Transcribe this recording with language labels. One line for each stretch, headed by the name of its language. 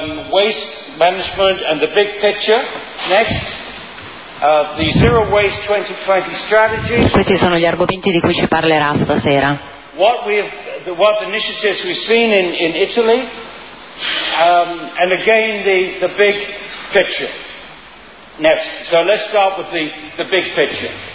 English: Waste management and the big picture. Next, the Zero Waste 2020 strategy.
Italian: Questi sono gli argomenti di cui ci parlerà stasera.
English: What initiatives we've seen in Italy, and again the big picture. Next, so let's start with the big picture.